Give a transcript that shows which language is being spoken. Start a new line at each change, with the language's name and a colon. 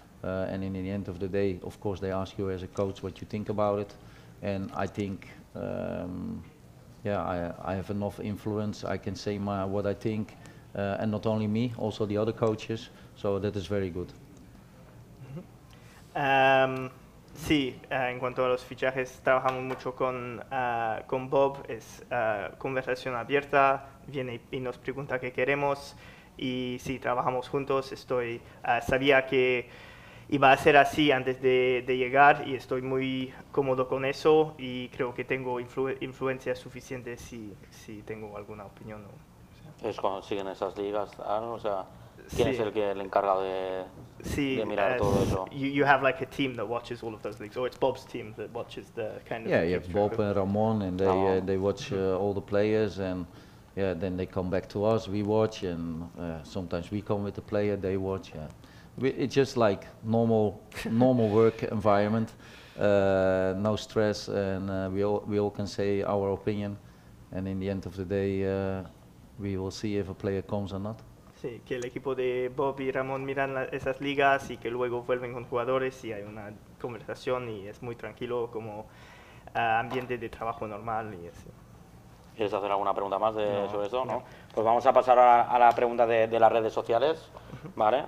English: And in the end of the day, of course, they ask you as a coach what you think about it. And I think, I have enough influence. I can say what I think. And not only me, also the other coaches. So that is very good. Mm-hmm.
Spanish: Sí, en cuanto a los fichajes, trabajamos mucho con Bob. Es conversación abierta. Viene y nos pregunta qué queremos. Y sí, trabajamos juntos. Sabía que iba a ser así antes de llegar y estoy muy cómodo con eso y creo que tengo influencia suficiente si tengo alguna opinión. ¿No? Es cuando siguen esas ligas, ¿no? O sea, ¿quién es el encargado de mirar todo eso?
English: You have like a team that watches all of those leagues, or it's Bob's team that watches the kind of... Yeah, you have Bob and Ramon and they watch all the players and then they come back to us, we watch and sometimes we come with the player, they watch. Yeah. It's just like normal work environment, no stress, and we all can say our opinion, and in the end of the day, we will see if a player comes or not.
Spanish: Sí, que el equipo de Bob y Ramón miran esas ligas y que luego vuelven con jugadores y hay una conversación y es muy tranquilo como ambiente de trabajo normal y así. ¿Quieres hacer alguna pregunta más sobre eso? No. Pues vamos a pasar a la pregunta de las redes sociales, ¿vale?